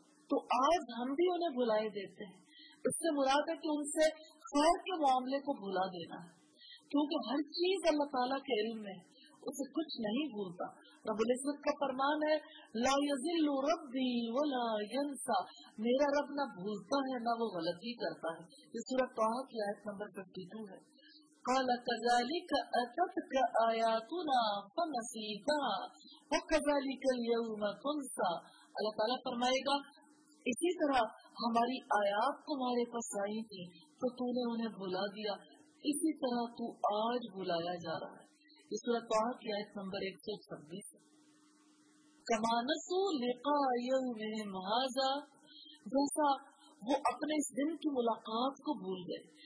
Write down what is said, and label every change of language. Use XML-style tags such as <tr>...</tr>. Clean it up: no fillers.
<hi>तो आज हम भी उन्हें बुलाए देते हैं, इससे मुराद है कि उनसे खैर के मामले को भुला देना, क्योंकि हर चीज अल्लाह ताला के इल्म में, उसे कुछ नहीं भूलता। रब्बुल इज्जत का फरमान है,</hi> <ar>ला यज़िल्लु रब्बी वला यंसा,</ar> <hi>मेरा रब ना भूलता है ना वो गलती करता है। ये सूरह तौहा की आयत नंबर 52 है।</hi> <ar>قال كذلك أتتك آياتنا فنسيتها وكذلك اليوم تنسى।</ar> <hi>अल्लाह ताला फरमाएगा, इसी तरह हमारी आयात तुम्हारे पास आई थी तो तूने उन्हें भुला दिया, इसी तरह तू आज भुलाया जा रहा है। इस सूरह तौहा की आयत नंबर 126।</hi> <ar>कमानसू लिका यौमिहिम हाज़ा,</ar> <hi>जैसा वो अपने इस दिन की मुलाकात को भूल गए।</hi>